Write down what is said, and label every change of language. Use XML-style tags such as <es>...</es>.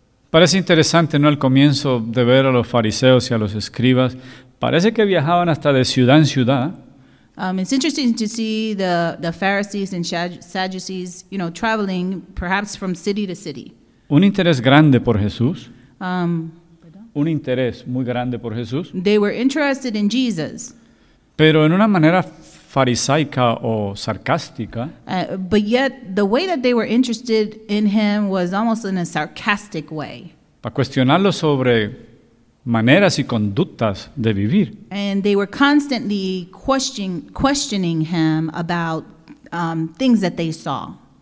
<es>Parece interesante, ¿no?, al comienzo de ver a los fariseos y a los escribas. Parece que viajaban hasta de ciudad en ciudad.</es> <en>It's interesting to see the Pharisees and Sadducees, you know, traveling perhaps from city to city.</en> <es>Un interés grande por Jesús. Un interés muy grande por Jesús.</es> <en>They were interested in Jesus.</en> <es>Pero en una manera farisaica o sarcástica.</es> <en>But yet the way that they were interested in him was almost in a sarcastic way.</en> <es>Para cuestionarlo sobre maneras y conductas de vivir.</es> <en>And they were constantly questioning him about things that they saw.</en>